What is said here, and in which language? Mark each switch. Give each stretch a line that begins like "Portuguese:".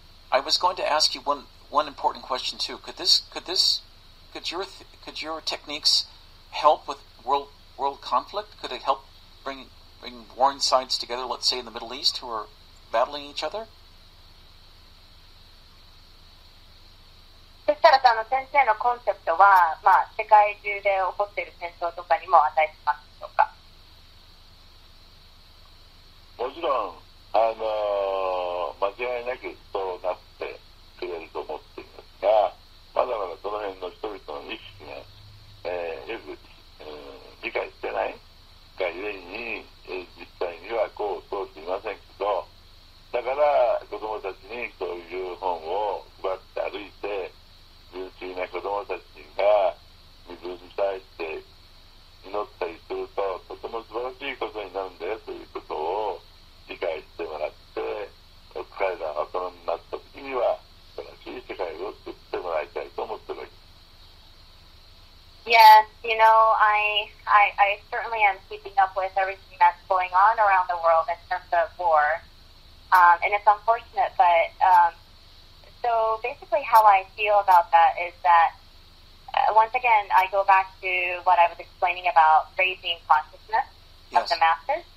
English: I was going to ask you one important question, too. Could your techniques help with world conflict? Could it help bring warring sides together, let's say in the Middle East, who are battling each other?
Japanese: ですから、その先生のコンセプトは、まあ、世界中で起こっている戦争とかにも与えてますでしょうか。もちろん、間違いなくそうなってくれると思っていますが、まだまだその辺の人々の意識が、よく、理解してないがゆえに、実際にはこう通していませんけど、だから子どもたちにそういう本を配って歩いて、純粋な子どもたちが自分に対して祈ったりするととても素晴らしいことになるんだよということを理解してもらって、彼らが大人になった時には素晴らしい世界を作ってもらいたいと思っています。
English: Yes, you know, I certainly am keeping up with everything that's going on around the world in terms of war, and it's unfortunate, but So basically how I feel about that is that, once again, I go back to what I was explaining about raising consciousness of the masses.